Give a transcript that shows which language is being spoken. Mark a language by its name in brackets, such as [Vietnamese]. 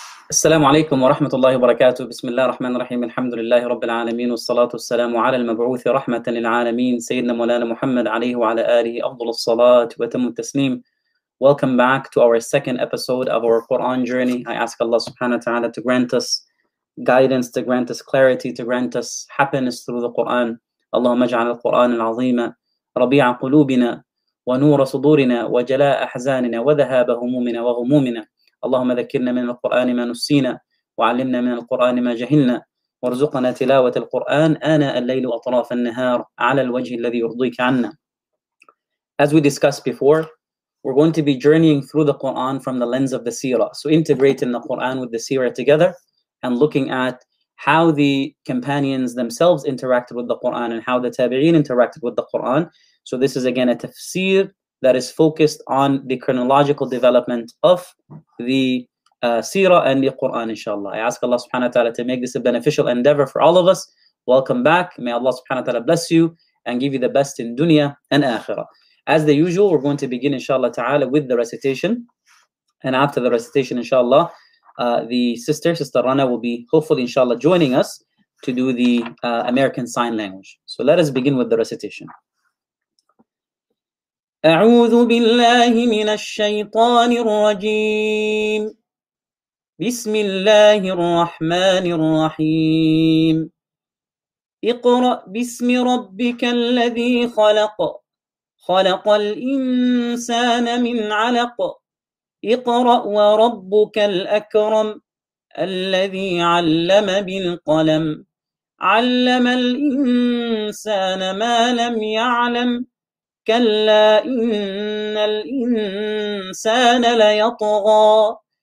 [Arabic] السلام عليكم ورحمة الله وبركاته. بسم الله الرحمن الرحيم، الحمد لله رب العالمين، والصلاة والسلام على المبعوث رحمة للعالمين سيدنا مولانا محمد عليه وعلى آله أفضل الصلاة وتم التسليم. [English] Welcome back to our second episode of our Quran journey. I ask Allah subhanahu wa ta'ala to grant us guidance, to grant us clarity, to grant us happiness through the Quran. [Arabic] اللهم اجعل القرآن العظيم ربيع قلوبنا ونور صدورنا وجلاء أحزاننا وذهاب همومنا وغمومنا. اللهم ذكرنا من القرآن ما نسينا وعلمنا من القرآن ما جهلنا وارزقنا تلاوة القرآن آناء الليل وأطراف النهار على الوجه الذي يرضيك عنا. [English] As we discussed before, we're going to be journeying through the Quran from the lens of the seerah. So integrating the Quran with the seerah together and looking at how the companions themselves interacted with the Quran and how the tabi'een interacted with the Quran. So this is again a tafsir that is focused on the chronological development of the seerah and the Quran, inshallah. I ask Allah subhanahu wa ta'ala to make this a beneficial endeavor for all of us. Welcome back. May Allah subhanahu wa ta'ala bless you and give you the best in dunya and akhirah. As the usual, we're going to begin, inshallah ta'ala, with the recitation. And after the recitation, inshallah, the sister Rana will be hopefully, inshallah, joining us to do the American Sign Language. So let us begin with the recitation. [Arabic] أعوذ بالله من الشيطان الرجيم بسم الله الرحمن الرحيم اقرأ باسم ربك الذي خلق خلق الإنسان من علق اقرأ وربك الأكرم الذي علم بالقلم علم الإنسان ما لم يعلم كلا إن الإنسان ليطغى